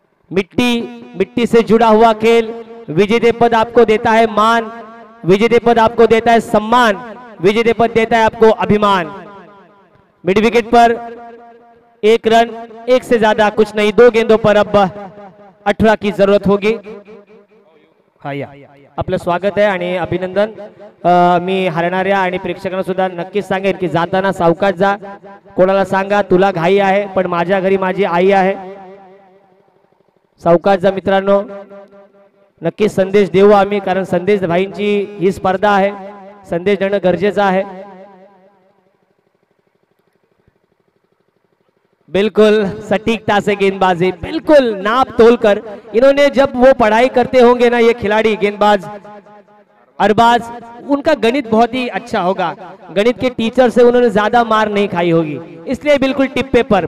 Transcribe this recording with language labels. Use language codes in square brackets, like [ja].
[hi] मिट्टी, मिट्टी से जुड़ा हुआ खेल. विजेते पद आपको देता है मान, विजेते पद आपको देता है सम्मान, विजेते पद देता है आपको अभिमान. मिड विकेट पर एक रन, एक से ज्यादा कुछ नहीं. 2 गेंदों पर अब 18 की जरूरत होगी. [mr] आपलं स्वागत आहे आणि अभिनंदन. मी हरणाऱ्या आणि प्रेक्षकांना सुद्धा नक्कीच सांगेन की जाताना सावकाश जा, कोणाला सांगा तुला घाई आहे पण माझ्या घरी माझी आई आहे. सावकाश जा मित्रांनो, नक्कीच संदेश देऊ आम्ही, कारण संदेश भाईंची ही स्पर्धा आहे, संदेश देणं गरजेचं आहे. [hi] बिल्कुल सटीकता से गेंदबाजी, बिल्कुल नाप तोल कर. इन्होंने जब वो पढ़ाई करते होंगे ना ये खिलाड़ी गेंदबाज अरबाज, उनका गणित बहुत ही अच्छा होगा, गणित के टीचर से उन्होंने ज्यादा मार नहीं खाई होगी, इसलिए बिल्कुल टिप्पे पर.